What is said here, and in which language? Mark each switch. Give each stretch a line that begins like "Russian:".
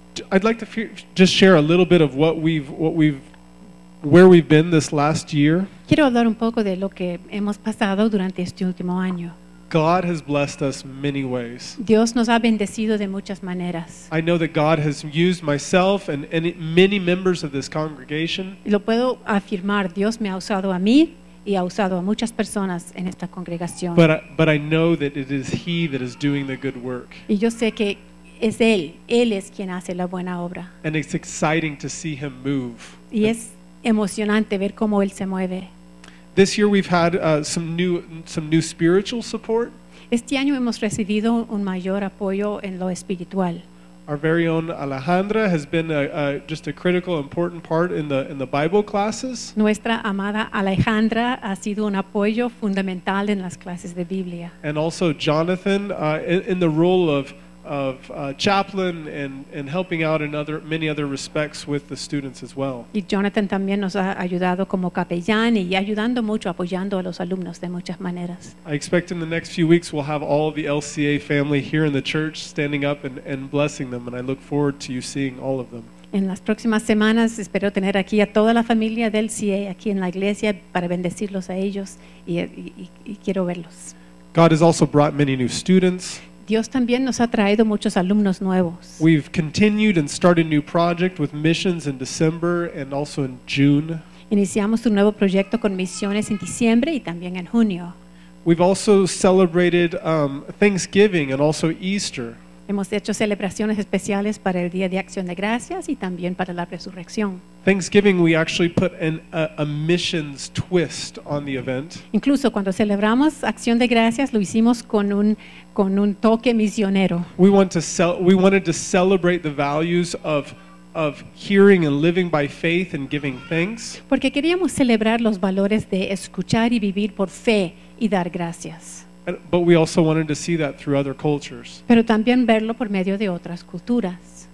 English: I'd like to just share a little bit of where we've been this last year.
Spanish: Quiero hablar un poco de lo que hemos pasado durante este último año.
English: God has blessed us many ways.
Spanish: Dios nos ha bendecido de muchas maneras.
English: I know that God has used myself and many members of this congregation.
Spanish: Lo puedo afirmar, Dios me ha usado a mí y ha usado a muchas personas en esta congregación.
English: But I know that it is He that is doing the good work.
Spanish: Y yo sé que es Él es quien hace la buena obra.
English: And it's exciting to see Him move.
Spanish: Y es emocionante ver cómo Él se mueve.
English: This year we've had some new spiritual support.
Spanish: Este año hemos recibido un mayor apoyo en lo espiritual.
English: Our very own Alejandra has been a critical important part in the Bible classes.
Spanish: Nuestra amada Alejandra ha sido un apoyo fundamental en las clases de Biblia.
English: And also Jonathan in the role of chaplain and helping out in many other respects with the students as well.
Spanish: Y Jonathan también nos ha ayudado como capellán y ayudando mucho, apoyando a los alumnos de muchas maneras.
English: I expect in the next few weeks we'll have all the LCA family here in the church standing up and blessing them, and I look forward to you seeing all of them.
Spanish: En las próximas semanas espero tener aquí a toda la familia del LCA aquí en la iglesia para bendecirlos a ellos y quiero verlos.
English: God has also brought many new students.
Spanish: Dios también nos ha traído muchos alumnos nuevos.
English: We've continued and started a new project with missions in December and also in June.
Spanish: Iniciamos un nuevo proyecto con misiones en diciembre y también en junio.
English: We've also celebrated Thanksgiving and also Easter.
Spanish: Hemos hecho celebraciones especiales para el Día de Acción de Gracias y también para la Resurrección.
English: Thanksgiving, we actually put a missions twist on the event.
Spanish: Incluso cuando celebramos Acción de Gracias, lo hicimos con un toque misionero.
English: We wanted to celebrate the values of hearing and living by faith and giving thanks.
Spanish: Porque queríamos celebrar los valores de escuchar y vivir por fe y dar gracias.
English: But we also wanted to see that through other cultures.
Spanish: Pero también verlo por medio de otras culturas.